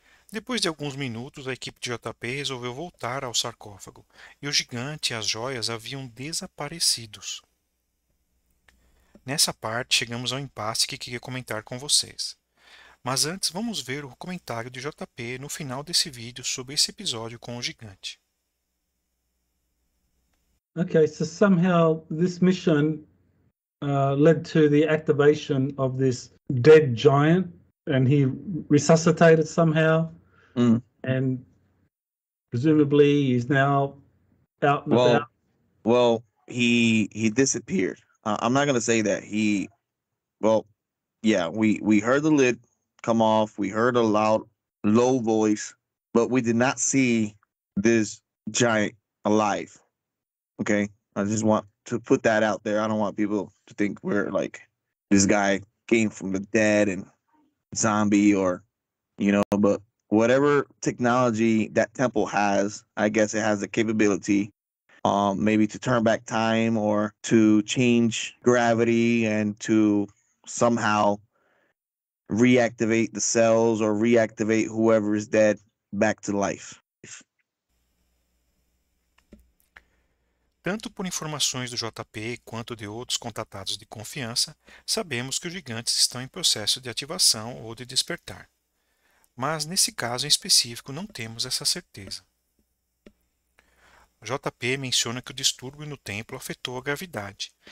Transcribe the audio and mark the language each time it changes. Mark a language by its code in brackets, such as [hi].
[pt] Depois de alguns minutos, a equipe de JP resolveu voltar ao sarcófago, e o gigante e as joias haviam desaparecidos. Nessa parte, chegamos ao impasse que queria comentar com vocês. Mas antes, vamos ver o comentário de JP no final desse vídeo sobre esse episódio com o gigante. [en] Okay, so somehow this mission led to the activation of this dead giant, and he resuscitated somehow, and presumably he's now out and Well, about. he disappeared. I'm not gonna say that he. Well, yeah, we heard the lid come off. We heard a loud, low voice, but we did not see this giant alive. Okay, I just want to put that out there. I don't want people to think we're like this guy came from the dead and zombie or, but whatever technology that temple has, I guess it has the capability, maybe to turn back time or to change gravity and to somehow reactivate the cells or reactivate whoever is dead back to life. [pt] Tanto por informações do JP quanto de outros contatados de confiança, sabemos que os gigantes estão em processo de ativação ou de despertar. Mas nesse caso em específico não temos essa certeza. JP menciona que o distúrbio no templo afetou a gravidade.